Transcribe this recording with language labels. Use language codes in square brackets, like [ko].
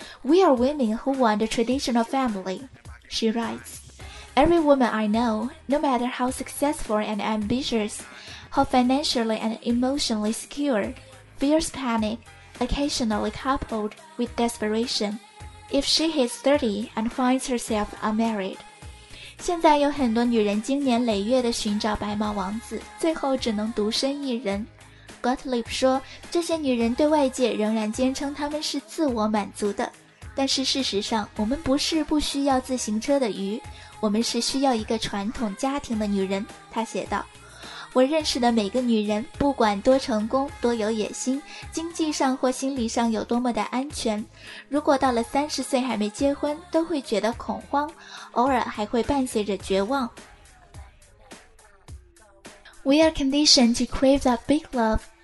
[en] We are women who want a traditional family, she writes. Every woman I know, no matter how successful and ambitious, how financially and emotionally secure, fears panic, occasionally coupled with desperation, if she hits 30 and finds herself unmarried. [zh] 现在有很多女人经年累月地寻找白马王子，最后只能独身一人。 Gottlieb 说，这些女人对外界仍然坚称她们是自我满足的，但是事实上，我们不是不需要自行车的鱼，我们是需要一个传统家庭的女人，她写道。我认识的每个女人，不管多成功、多有野心，经济上或心理上有多么的安全，如果到了30岁还没结婚，都会觉得恐慌，偶尔还会伴随着绝望。 [en] We are conditioned to crave that big love.